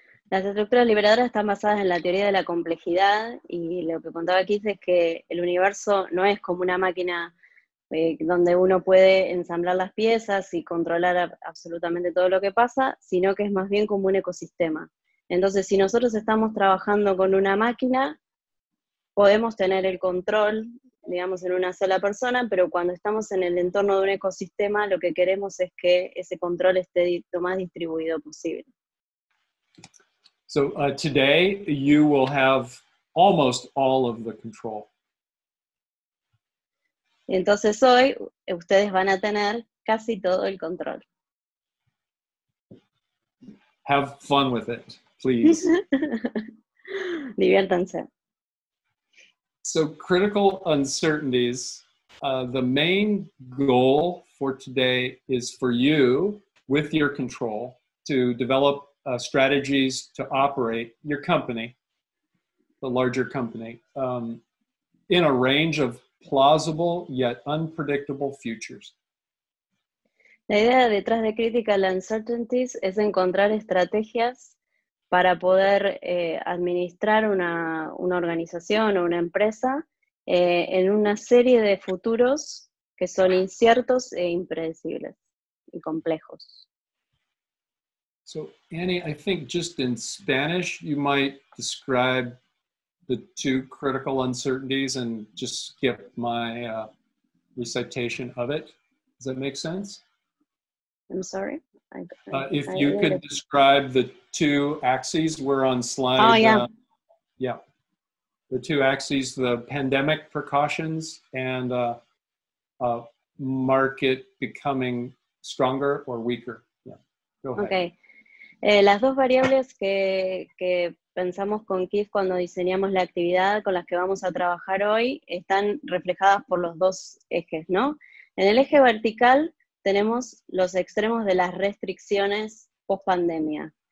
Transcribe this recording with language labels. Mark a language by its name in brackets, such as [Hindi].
[Spanish] Las estructuras liberadoras están basadas en la teoría de la complejidad, y lo que contaba Keith es que el universo no es como una máquina donde uno puede ensamblar las piezas y controlar absolutamente todo lo que pasa, sino que es más bien como un ecosistema. Entonces, si nosotros estamos trabajando con una máquina, podemos tener el control, digamos, en una sola persona, pero cuando estamos en el entorno de un ecosistema, lo que queremos es que ese control esté lo más distribuido posible. [English] So today you will have almost all of the control. [Spanish] Entonces hoy ustedes van a tener casi todo el control. [English] Have fun with it, please. [Spanish] Diviértanse. [English] So critical uncertainties, the main goal for today is for you, with your control, to develop strategies to operate your company, the larger company, in a range of plausible yet unpredictable futures. [Spanish] La idea detrás de Critical Uncertainties es encontrar estrategias para poder administrar una organización o una empresa en una serie de futuros que son inciertos e impredecibles y complejos. [English] So, Annie, I think just in Spanish you might describe the two critical uncertainties and just skip my recitation of it. Does that make sense? I'm sorry. If you could describe the two axes we're on slide. Oh, yeah. Yeah. The two axes, the pandemic precautions and market becoming stronger or weaker. Yeah. Go ahead. Okay. [Spanish] Las dos variables que pensamos con Keith cuando diseñamos la actividad con las que vamos a trabajar hoy están reflejadas por los dos ejes, ¿no? En el eje vertical tenemos los extremos de las restricciones post-pandemia.